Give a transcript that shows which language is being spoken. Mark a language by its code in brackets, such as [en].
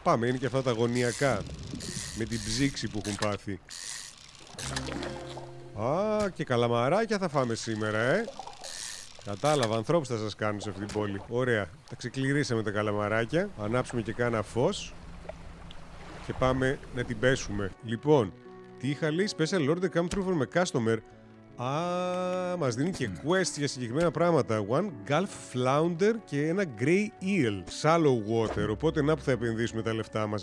[el] Πάμε, είναι και αυτά τα γωνιακά, με την ψήξη που έχουν πάθει. Α, και καλαμαράκια θα φάμε σήμερα, ε! Κατάλαβα, ανθρώπους θα σας κάνω σε αυτή την πόλη. Ωραία, τα ξεκληρίσαμε τα καλαμαράκια, ανάψουμε και κάνα φως και πάμε να την πέσουμε. Λοιπόν. Τι είχα, λέει, [en] special order come through from a customer. [el] Α, μας δίνει και quest για συγκεκριμένα πράγματα. [en] One gulf flounder [el] και ένα [en] grey eel. Shallow water, [el] οπότε να που θα επενδύσουμε τα λεφτά μας.